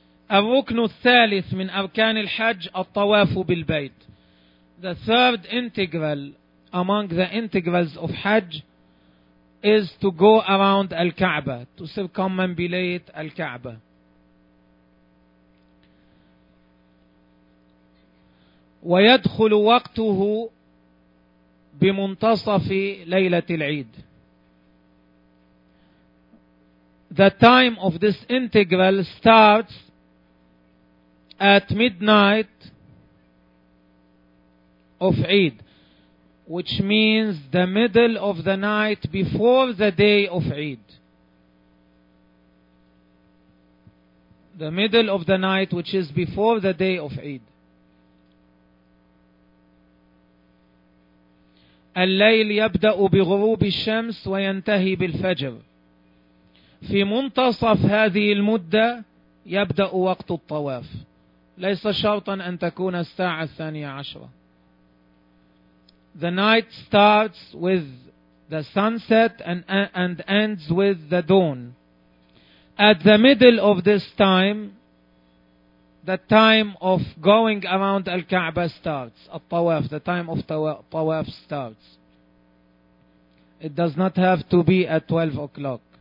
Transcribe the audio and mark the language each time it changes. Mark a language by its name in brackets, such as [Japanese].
[Arabic] الركن الثالث من أركان الحج الطواف بالبيت. [English] The third integral among the integrals of Hajj is to go around Al-Kaaba, to circumambulate Al-Kaaba. [Arabic] ويدخل وقته بمنتصف ليلة العيد. [English] The time of this integral starts at midnight of Eid, which means the middle of the night before the day of Eid. the middle of the night, which is before the day of Eid. [Arabic] الليل يبدأ بغروب الشمس وينتهي بالفجر. في منتصف هذه المدة يبدأ وقت الطواف. ليس شرطا أن تكون الساعة الثانية عشرة. [English] The night starts with the sunset and ends with the dawn. At the middle of this time, the time of going around Al-Kaaba starts. Al-Tawaf, the time of Tawaf starts. It does not have to be at 12 o'clock.